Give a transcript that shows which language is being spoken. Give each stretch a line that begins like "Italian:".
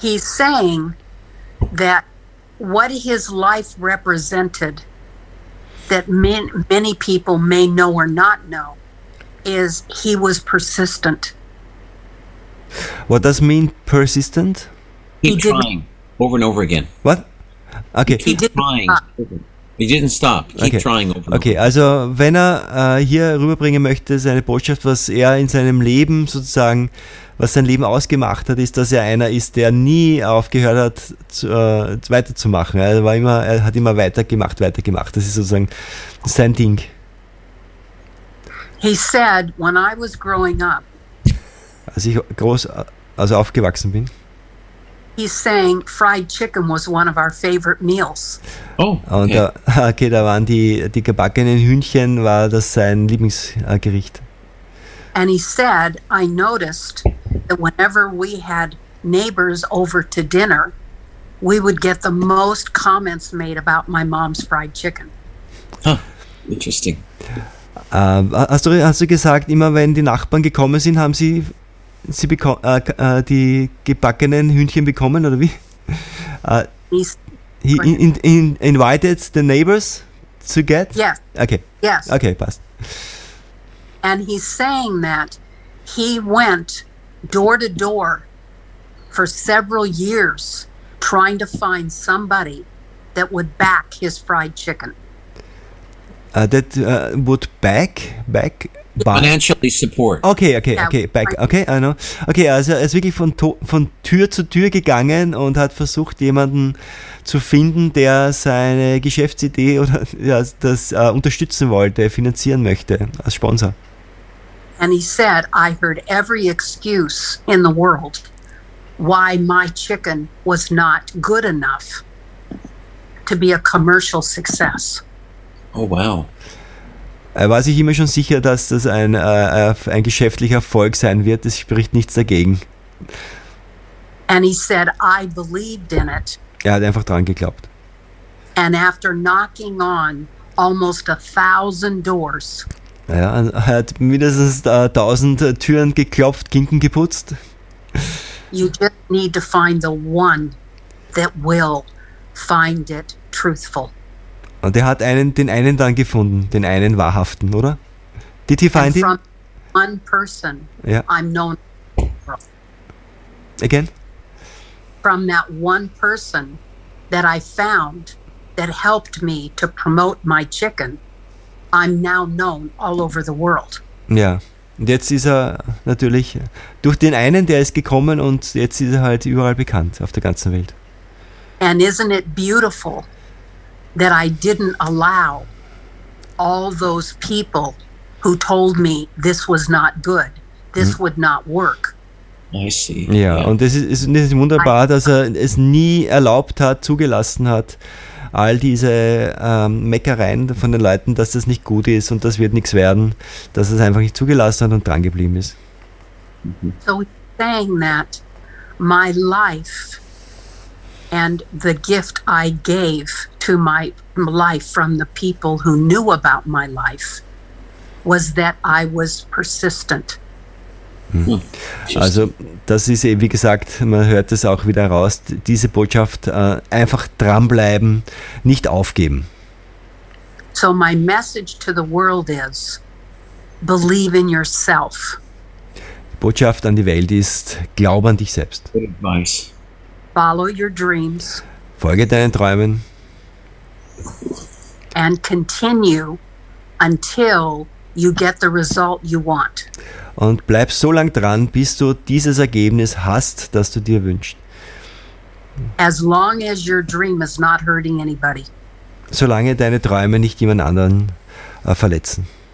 English: He's saying that what his life represented, that many people may know or not know, is he was persistent. What does mean persistent? He trying over and over again. What? Okay. He didn't trying. He didn't stop. Keep okay. trying over and okay.
German: Okay, also wenn er hier rüberbringen möchte, seine Botschaft, was er in seinem Leben sozusagen, was sein Leben ausgemacht hat, ist, dass er einer ist, der nie aufgehört hat, weiterzumachen. Er hat immer weitergemacht. Das ist sozusagen sein Ding.
English: He said, when I was growing up,
German: als ich groß, also aufgewachsen bin,
English: he's saying fried chicken was one of our favorite meals. Oh, okay.
German: Okay, da waren die gebackenen Hühnchen, war das sein Lieblingsgericht.
English: And he said, I noticed that whenever we had neighbors over to dinner, we would get the most comments made about my mom's fried chicken. Huh, interesting.
German: Hast du gesagt, immer wenn die Nachbarn gekommen sind, haben sie die gebackenen Hühnchen bekommen, oder wie?
English: He, He invited the neighbors to get? Yes. Okay. Yes. Okay, passed. And he's saying that he went door to door for several years trying to find somebody that would back his fried chicken. That would back financially support. Okay, back. Okay, I know.
German: Okay, also er ist wirklich von Tür zu Tür gegangen und hat versucht, jemanden zu finden, der seine Geschäftsidee oder ja, das unterstützen wollte, finanzieren möchte als Sponsor.
English: And he said, I heard every excuse in the world why my chicken was not good enough to be a commercial success. Oh, wow.
German: Er war sich immer schon sicher, dass das ein geschäftlicher Erfolg sein wird. Es spricht nichts dagegen.
English: And he said, I believed in it.
German: Er hat einfach dran geglaubt.
English: And after knocking on almost 1,000 doors.
German: Ja, er hat mindestens 1,000 Türen geklopft, Klinken geputzt.
English: You just need to find the one that will find it truthful.
German: Und er hat den einen dann gefunden, den einen wahrhaften, oder?
English: Did he find and from it? One person, yeah. I'm known for. Again? From that one person that I found that helped me to promote my chicken, I'm now known all over the world.
German: Ja, und jetzt ist er natürlich durch den einen, der ist gekommen und jetzt ist er halt überall bekannt auf der ganzen Welt.
English: And isn't it beautiful that I didn't allow all those people who told me this was not good, this would not work. I see.
German: Ja, und es ist wunderbar, dass er es nie erlaubt hat, zugelassen hat, all diese Meckereien von den Leuten, dass das nicht gut ist und das wird nichts werden, dass es einfach nicht zugelassen hat und dran geblieben ist.
English: So saying that my life and the gift I gave to my life from the people who knew about my life was that I was persistent.
German: Also das ist eben, wie gesagt, man hört es auch wieder raus, diese Botschaft, einfach dranbleiben, nicht aufgeben.
English: So my message to the world is, believe in yourself.
German: Die Botschaft an die Welt ist, glaub an dich selbst.
English: Advice. Follow your dreams.
German: Folge deinen Träumen.
English: And continue until you get the result you want.
German: Und bleib so lang dran, bis du dieses Ergebnis hast, das du dir wünschst.
English: As long as your dream is not hurting anybody.
German: Solange deine Träume nicht jemand anderen verletzen.